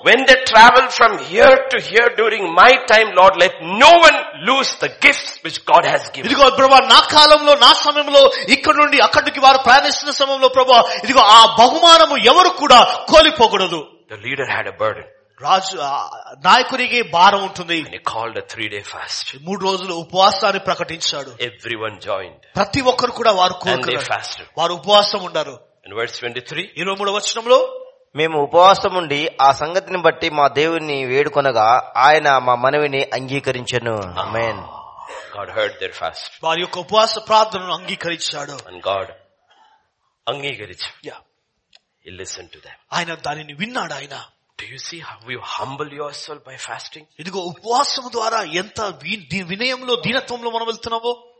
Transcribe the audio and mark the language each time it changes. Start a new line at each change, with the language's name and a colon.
English: When they travel from here to here during my time, Lord, let no one lose the gifts which God has given.
Telugu: ఇదిగో ప్రభువా నా కాలంలో నా సమయంలో ఇక్కడ నుండి అక్కడికి వారు ప్రయాణిస్తున్న సమయంలో ప్రభువా ఇదిగో ఆ బహుమానము ఎవరు కూడా కోల్పోకూడదు.
English: The leader had a burden.
Telugu: రాజు నాయకుడికి భారం ఉంటుంది.
English: He called a 3-day fast.
Telugu: 3 రోజులు ఉపవాసాన్ని ప్రకటించాడు.
English: Everyone joined.
Telugu: ప్రతి ఒక్కరు కూడా వారు కోరుకున్నారు. వారు ఉపవాసం ఉన్నారు.
English: In verse 23.
Telugu: 23వ వచనంలో మేము ఉపవాసం ఉండి ఆ సంగతిని బట్టి మా దేవుని వేడుకొనగా ఆయన మా మనవిని అంగీకరించెను. ఆమేన్.
English: God heard their fast.
Telugu: వారి యొక్క ఉపవాస ప్రార్థనను అంగీకరించాడు.
English: And God
Telugu: అంగీకరించాడు.
English: Yeah. He listened to them.
Telugu: ఆయన దానిని విన్నాడు. ఆయన
English: Do you see how you humble yourself by fasting?
Telugu: ఇదిగో ఉపవాసం ద్వారా ఎంత వినయంలో దీనత్వంలో మనం వెళ్తున్నావో.